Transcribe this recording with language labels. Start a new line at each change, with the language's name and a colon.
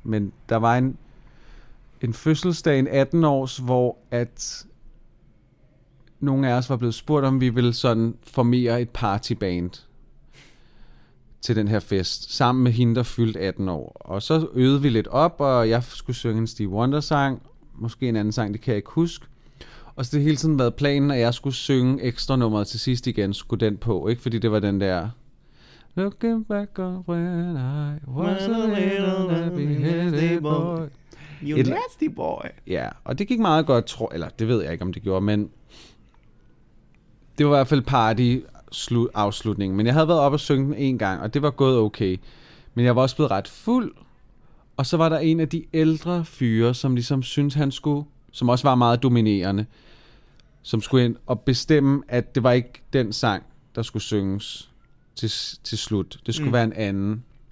Danish: Men der var en fødselsdag, en 18-års, hvor at nogle af os var blevet spurgt, om vi ville sådan formere et partyband til den her fest, sammen med hende, der fyldte 18 år. Og så øvede vi lidt op, og jeg skulle synge en Stevie Wonder-sang, måske en anden sang, det kan jeg ikke huske. Og så det hele tiden været planen, at jeg skulle synge ekstra nummeret til sidst igen, skulle den på, ikke? Fordi det var den der
English: Looking back on when I was a little happy nasty boy. You nasty boy.
Danish: Ja, og det gik meget godt, eller det ved jeg ikke, om det gjorde, men det var i hvert fald party afslutningen. Men jeg havde været op og synge den en gang, og det var gået okay. Men jeg var også blevet ret fuld, og så var der en af de ældre fyre, som ligesom syntes, han skulle, som også var meget dominerende, som skulle ind og bestemme, at det var ikke den sang, der skulle synges til slut. Det skulle være en anden.